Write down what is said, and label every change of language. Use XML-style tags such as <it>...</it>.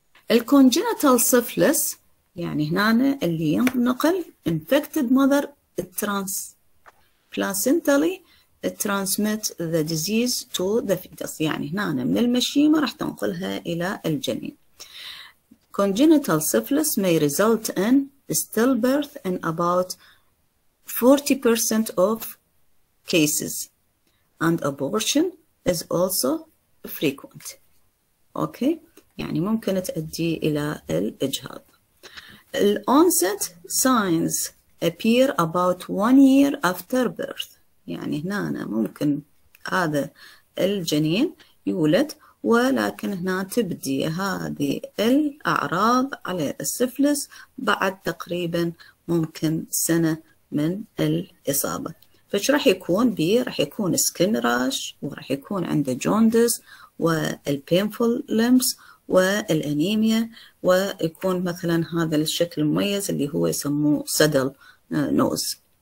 <ar>الكونجنتال سيفلس يعني هنا اللي ينقل</ar> <en>infected mother trans placentally transmit the disease to the fetus،</en> <ar>يعني هنا من المشيمة راح تنقلها إلى الجنين.</ar> <en>Congenital syphilis may result in stillbirth in about 40% of cases and abortion is also frequent. Okay.</en> <ar>يعني ممكن تؤدي إلى الإجهاض.</ar> <en>الأونست signs appear about 1 year after birth.</en> <ar>يعني هنا ممكن هذا الجنين يولد، ولكن هنا تبدي هذه الأعراض على السفلس بعد تقريبا ممكن سنة من الإصابة. فش راح يكون بيه؟ راح يكون سكين راش، وراح يكون عنده جوندس والبينفول لمبس والأنيميا، ويكون مثلا هذا الشكل المميز اللي هو يسموه صدل نوز.</ar>